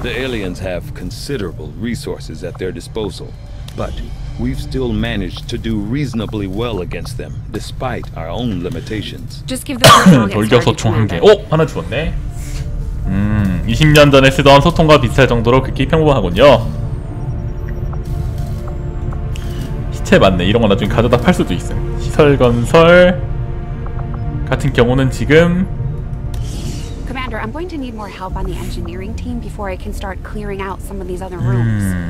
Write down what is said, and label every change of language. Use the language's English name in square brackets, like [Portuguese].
[English] The aliens have considerable resources at their disposal, but we've still managed to do reasonably well against them despite our own limitations. Just give them a target. [Korean] 돌격소 총 한 개. 오, 하나 주었네. 20년 전에 쓰던 소통과 비슷할 정도로 극히 평범하군요. 시체 맞네. 이런 거 나중에 가져다 팔 수도 있어. 시설 건설 같은 경우는 지금 [English] Commander, I'm going to need more help on the engineering team before I can start clearing out some of these other rooms.